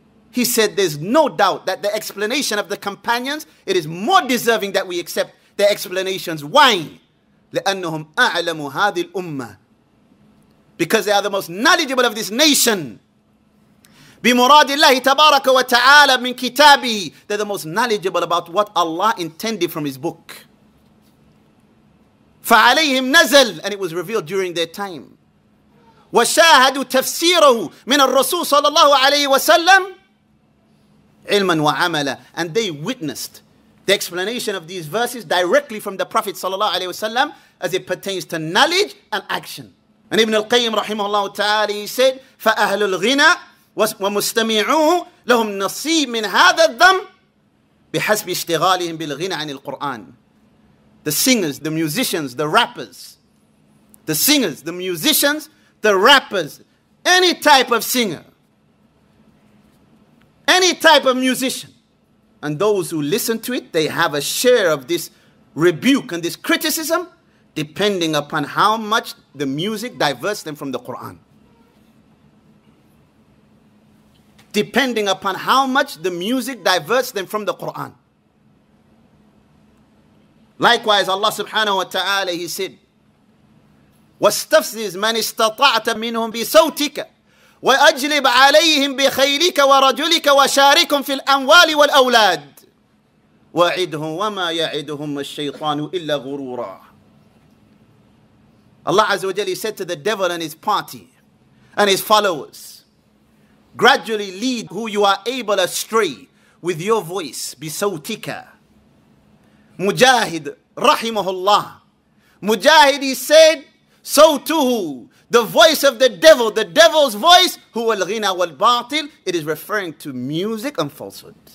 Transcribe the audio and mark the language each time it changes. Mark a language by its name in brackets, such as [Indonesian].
[English] He said, there's no doubt that the explanation of the companions, it is more deserving that we accept their explanations. Why? [Arabic] لأنهم أعلموا هذه الأمة. [English] Because they are the most knowledgeable of this nation. [Arabic] بمراد الله تبارك وتعالى من كتابه. [English] They're the most knowledgeable about what Allah intended from his book. [Arabic] فَعَلَيْهِمْ نَزَلْ, [English] and it was revealed during their time. [Arabic] وَشَاهَدُوا تَفْسِيرَهُ مِنَ الرَّسُولِ صَلَى اللَّهُ عَلَيْهِ وَسَلَّمْ عِلْمًا وَعَمَلًا, [English] and they witnessed the explanation of these verses directly from the Prophet [Arabic] صلى الله عليه وسلم [English] as it pertains to knowledge and action. And Ibn al-Qayyim [Arabic] رحمه الله تعالى, [English] he said, [Arabic] فَأَهْلُ الْغِنَى وَمُسْتَمِعُوهُ لَهُمْ نَصِيبٌ مِنْ هَذَا الذَّمْ بِحَسْبِ اشْتِغَالِهِمْ بِالْغِنَى عَنِ الْقُرْآنِ. [English] The singers, the musicians, the rappers. The singers, the musicians, the rappers. Any type of singer. Any type of musician. And those who listen to it, they have a share of this rebuke and this criticism, depending upon how much the music diverts them from the Quran. Depending upon how much the music diverts them from the Quran. Likewise, Allah subhanahu wa ta'ala, he said, [Arabic] وَاسْتَفْزِزْ مَنِ اسْتَطَعْتَ مِنْهُمْ بِسَوْتِكَ وَأَجْلِبْ عَلَيْهِمْ بِخَيْلِكَ وَرَجُلِكَ وَشَارِكُمْ فِي الْأَمْوَالِ وَالْأَوْلَادِ وَعِدْهُمْ وَمَا يَعِدُهُمْ الشَّيْطَانُ إِلَّا غُرُورًا. [English] Allah Azza wa Jalla said to the devil and his party and his followers, gradually lead who you are able astray with your voice, بِسَوْتِكَ. Mujahid, rahimahullah. Mujahid, he said, so too, the voice of the devil, the devil's voice, [Arabic] huwa al-ghina wal-batil, [English] it is referring to music and falsehood.